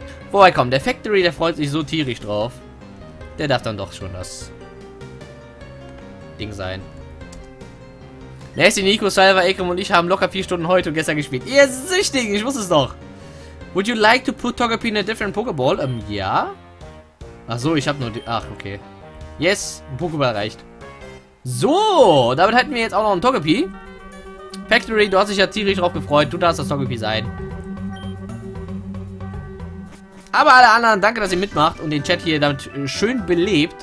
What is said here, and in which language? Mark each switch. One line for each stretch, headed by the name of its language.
German: Woher kommt der Factory? Der freut sich so tierisch drauf. Der darf dann doch schon das... Ding sein. Nessie, Nico, Salva, Ekrem und ich haben locker 4 Stunden heute und gestern gespielt. Ihr süchtig, ich wusste es doch.
English: Would you like to put Togepi in a different Pokeball?
German: Ja. Ach so, ich habe nur die... Ach, okay. Yes, ein Pokéball reicht. So, damit hätten wir jetzt auch noch einen Togepi. Factory, du hast dich ja tierisch drauf gefreut. Du darfst das Togepi sein. Aber alle anderen, danke, dass ihr mitmacht und den Chat hier damit schön belebt.